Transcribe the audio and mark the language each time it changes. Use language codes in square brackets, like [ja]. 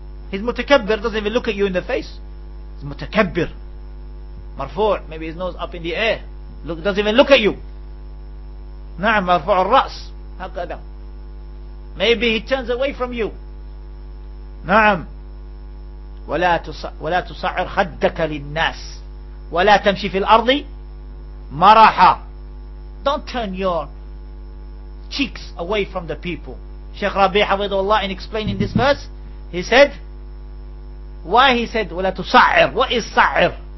[en] His mutakabbir doesn't even look at you in the face. His mutakabbir. Marfu', maybe his nose up in the air. Look, doesn't even look at you. [ar] Na'am, marfu' al-ra's. [en] Maybe he turns away from you. [ar] نعم. ولا تصعر خدك للناس ولا تمشي في الأرض مرحا. [en] Don't turn your cheeks away from the people. Sheikh Rabi حفظه الله, in explaining this verse, he said, why he said [ar] ولا تصعر, [en] what is صعر?